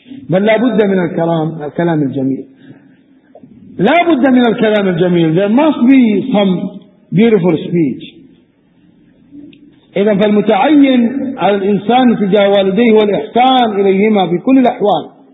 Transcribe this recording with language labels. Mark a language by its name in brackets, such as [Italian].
[Arabic] بل لا بد من الكلام الجميل. لا بد من الكلام الجميل. [English] There must be some beautiful speech. [Arabic] إذا فالمتعين على الإنسان تجاه والديه هو الإحسان إليهما في كل الأحوال.